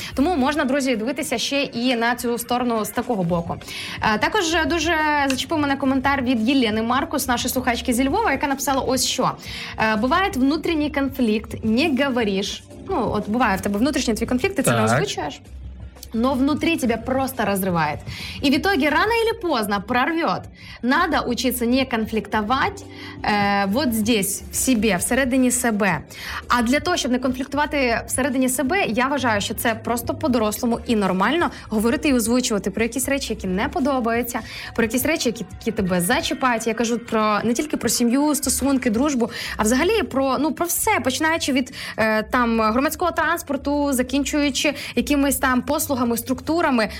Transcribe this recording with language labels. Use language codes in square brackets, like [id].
[uk] Тому можна, друзі, дивитися ще і на цю сторону з такого боку. Також дуже зачепив мене коментар від Єлени Маркус, нашої слухачки зі Львова, яка написала ось що. Буває внутрішній конфлікт, не говориш. Ну, от буває в тебе внутрішній твій конфлікт, ти так, це не озвучуєш. [ru] Но внутри тебя просто разрывает. И в итоге рано или поздно прорвет. Надо учиться не конфликтовать вот здесь, в себе, всередині себе. [uk] А для того, щоб не конфліктувати всередині себе, я вважаю, що це просто по-дорослому і нормально говорити і озвучувати про якісь речі, які не подобаються, про якісь речі, які тебе зачіпають. Я кажу про не тільки про сім'ю, стосунки, дружбу, а взагалі про, ну, про все, починаючи від там громадського транспорту, закінчуючи якимись там послугами, структурами.